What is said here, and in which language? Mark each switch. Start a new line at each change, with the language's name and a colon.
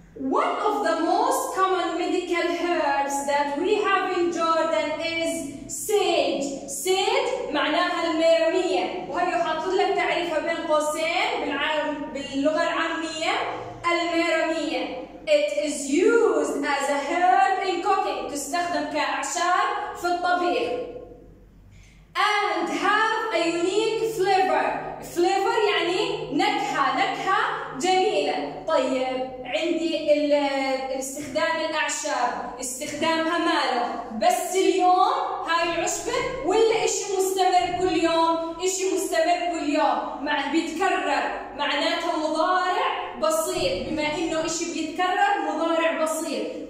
English: One of the most common medical herbs that we have in Jordan is sage.
Arabic: Sage معناها الميرمية. وهي حاطط لك تعريفها بين قوسين باللغة العامية الميرمية.
English: It is used as a herb in cooking.
Arabic: تستخدم كأعشاب في الطبيخ.
English: And have a unique flavor.
Arabic: Flavor يعني نكهة، نكهة جميلة. طيب عندي استخدام الأعشاب. أعشاب استخدامها ماله، بس اليوم هاي العشبة ولا إشي مستمر كل يوم؟ إشي مستمر كل يوم، مع بيتكرر، معناتها مضارع بصير، بما إنه إشي بيتكرر مضارع بصير.